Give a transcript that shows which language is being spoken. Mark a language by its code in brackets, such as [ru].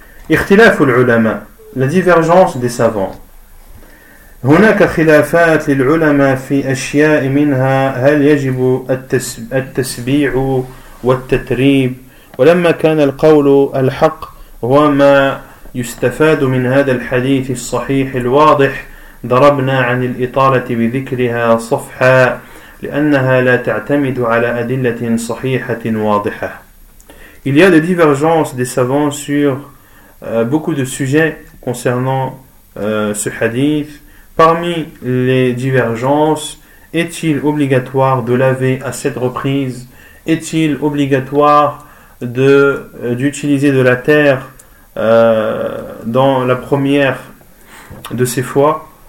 [ar] اختلاف العلماء, [fr] la divergence des savants. [ar] هناك خلافات للعلماء في أشياء منها هل يجب التسبيع والتتريب ولما كان القول الحق هو ما يستفاد من هذا الحديث الصحيح الواضح ضربنا عن الإطالة بذكرها صفحة لأنها لا تعتمد على أدلة صحيحة واضحة. [fr] Il y a des divergences des savants sur beaucoup de sujets concernant ce hadith. Parmi les divergences, est-il obligatoire de laver à 7 reprises? Est-il obligatoire d'utiliser de la terre dans la première de ces fois?